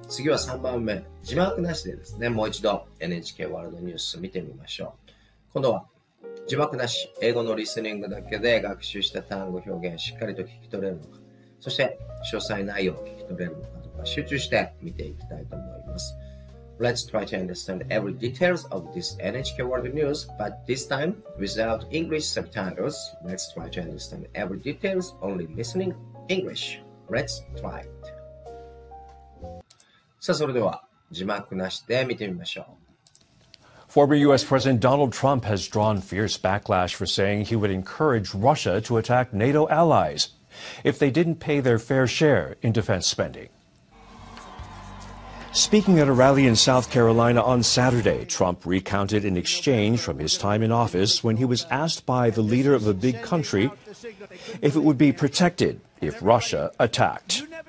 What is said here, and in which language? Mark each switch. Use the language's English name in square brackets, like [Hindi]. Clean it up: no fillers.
[Japanese] 次は3番目、字幕なしでですね、もう一度 NHK ワールドニュース見てみましょう。今度は字幕なし、英語のリスニングだけで学習した単語表現、しっかりと聞き取れるのか、そして詳細内容を聞き取れるのかとか、集中して見ていきたいと思います。 [English] Let's try to understand every details of this NHK World News, but this time without English subtitles. Let's try to understand every details, only listening English. Let's try it. [Japanese] さあそれでは字幕なしで見てみましょう。 [English] Former U.S. President Donald Trump has drawn fierce backlash for saying he would encourage Russia to attack NATO allies if they didn't pay their fair share in defense spending. Speaking at a rally in South Carolina on Saturday, Trump recounted an exchange from his time in office when he was asked by the leader of a big country if it would be protected if Russia attacked.